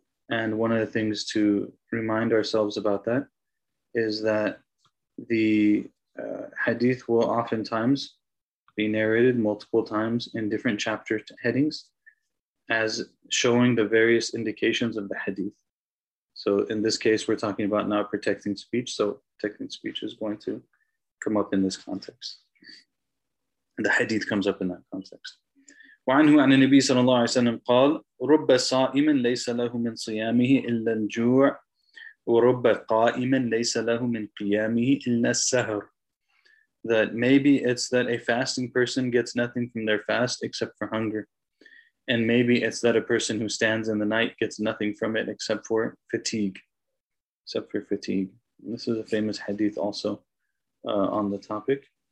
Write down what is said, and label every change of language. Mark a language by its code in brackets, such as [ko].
[en] And one of the things to remind ourselves about that is that the hadith will oftentimes be narrated multiple times in different chapter headings as showing the various indications of the hadith. So in this case, we're talking about not protecting speech. So protecting speech is going to come up in this context. And the hadith comes up in that context. [ar] وعنه عن النبي صلى الله عليه وسلم قال رب صائم ليس له من صيامه إلا الجوع ورب قائم ليس له من قيامه إلا السهر. [en] That maybe it's that a fasting person gets nothing from their fast except for hunger. And maybe it's that a person who stands in the night gets nothing from it except for fatigue. Except for fatigue. And this is a famous hadith also on the topic.